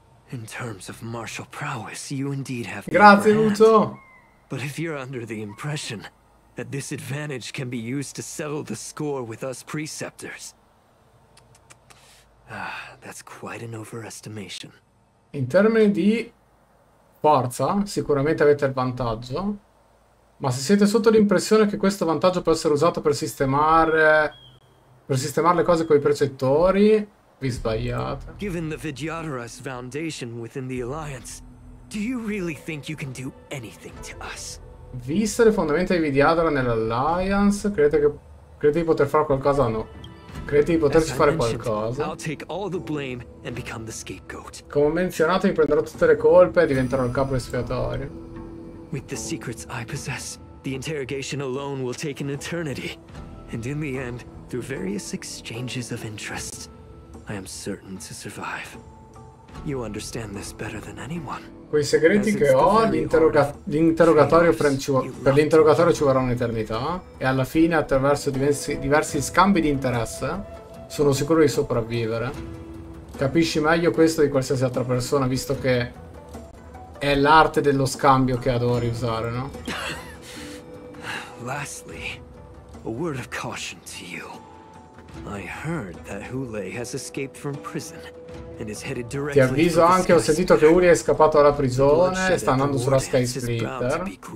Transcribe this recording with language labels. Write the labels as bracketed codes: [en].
[en] In terms of martial prowess, you indeed have. [it] Grazie, Uto. [en] But if you're under the impression that this advantage can be used to settle the score with us preceptors, ah, that's quite an overestimation. [it] In termini di forza, sicuramente avete il vantaggio, ma se siete sotto l'impressione che questo vantaggio possa essere usato per sistemare le cose con i precettori, vi sbagliate. [en] Given the Vidyadara's foundation within the Alliance, do you really think you can do anything to us? [it] Viste le fondamenta di Vidyadara nell'Alliance, credete di poter fare qualcosa? No. Credete di poterci fare qualcosa? [en] I'll take all the blame and become the scapegoat. [it] Come ho menzionato, mi prenderò tutte le colpe e diventerò il capo espiatorio. [en] With the secrets I possess, the interrogation alone will take an eternity. And in the end, through various exchanges of interest, I am certain to survive. You understand this better than anyone. [it] Quei segreti che ho, l'interrogatorio per l'interrogatorio ci vorrà un'eternità. E alla fine, attraverso diversi scambi di interesse, sono sicuro di sopravvivere. Capisci meglio questo di qualsiasi altra persona, visto che è l'arte dello scambio che adori usare, no? [en] Lastly, a word of caution to you. I heard that Hulei has escaped from prison and is headed directly. [it] Ti avviso anche, ho sentito che Hulei è scappato dalla prigione e sta andando sulla Sky Splitter.